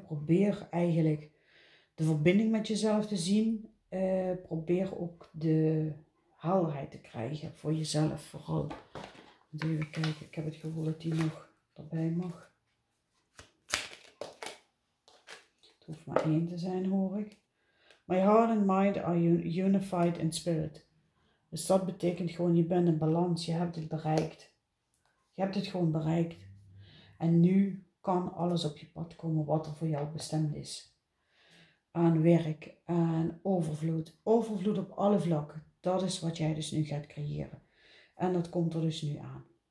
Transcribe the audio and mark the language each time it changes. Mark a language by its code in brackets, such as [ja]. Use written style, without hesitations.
[nl] Probeer eigenlijk de verbinding met jezelf te zien. Probeer ook de helderheid te krijgen voor jezelf vooral. Even kijken, ik heb het gevoel dat die nog erbij mag. Het hoeft maar één te zijn, hoor ik. [en] My heart and mind are unified in spirit. [nl] Dus dat betekent gewoon, je bent in balans, je hebt het bereikt. Je hebt het gewoon bereikt. En nu kan alles op je pad komen wat er voor jou bestemd is. Aan werk, aan overvloed. Overvloed op alle vlakken. Dat is wat jij dus nu gaat creëren. En dat komt er dus nu aan.